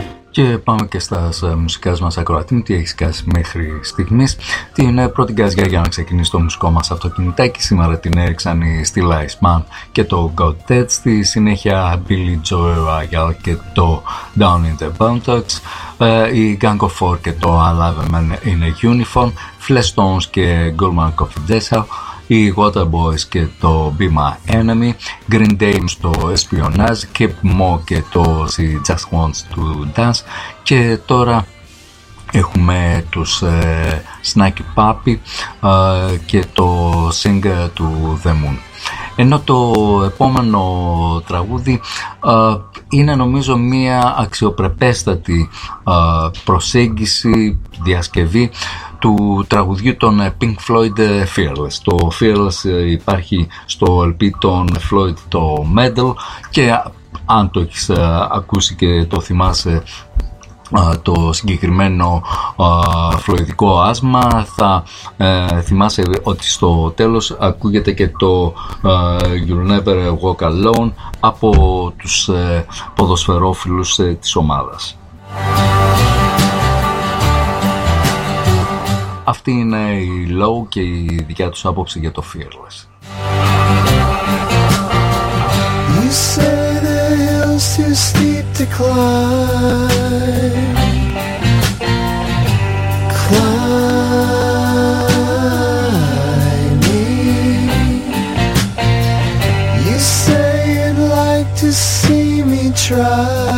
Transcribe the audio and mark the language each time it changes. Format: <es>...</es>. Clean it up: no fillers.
<el>Και πάμε και στα μουσικά μας ακροατή μου. Τι έχεις κάνει μέχρι στιγμής? Την πρώτη γκαζιά για να ξεκινήσει το μουσικό μας αυτοκινητάκι σήμερα την έριξαν οι Still Ice Man και το God Ted. Στη συνέχεια Billy Joe Royale και το Down in the Buntocks. Η Gang of Four και το I Love a Man in a Uniform. Flesh Tones και Goldman Confidential. Οι Waterboys και το Be My Enemy, Green Day στο Espionage, Kip Mo και το She Just Wants to Dance, και τώρα έχουμε τους Snacky Puppy και το Singer του The Moon. Ενώ το επόμενο τραγούδι είναι νομίζω μια αξιοπρεπέστατη προσέγγιση, διασκευή του τραγουδιού των Pink Floyd Fearless. Το Fearless υπάρχει στο LP των Floyd το Medal και αν το έχεις ακούσει και το θυμάσαι το συγκεκριμένο φλοϊδικό άσμα, θα θυμάσαι ότι στο τέλος ακούγεται και το You'll Never Walk Alone από τους ποδοσφαιρόφιλους της ομάδας. Αυτή είναι η Low και η δικιά τους άποψη για το Fearless.</el> <en>You say the hills too steep to climb. Climbing. You say you'd like to see me try.</en>